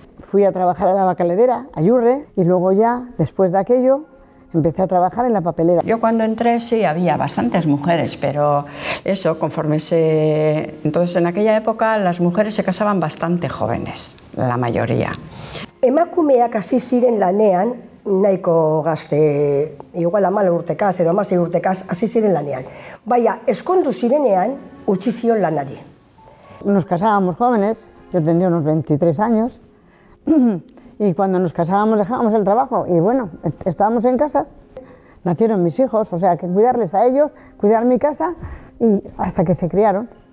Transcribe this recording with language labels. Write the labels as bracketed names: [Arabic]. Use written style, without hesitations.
[Spanish] Fui a trabajar a la bacalera, a Yurre, y luego ya, después de aquello, empecé a trabajar en la papelera. Yo cuando entré sí había bastantes mujeres, pero eso, entonces en aquella época las mujeres se casaban bastante jóvenes, la mayoría. [Basque] Emakumeak hasi ziren lanean, nahiko gazte, igual amala urtekaz edo amasei urtekaz, hasi ziren lanean. Baina, eskondu zirenean, utzi zion lanari. [Spanish] Nos casábamos jóvenes, yo tenía unos 23 años, y cuando nos casábamos dejábamos el trabajo y bueno, estábamos en casa. Nacieron mis hijos, o sea, que cuidarles a ellos, cuidar mi casa y hasta que se criaron.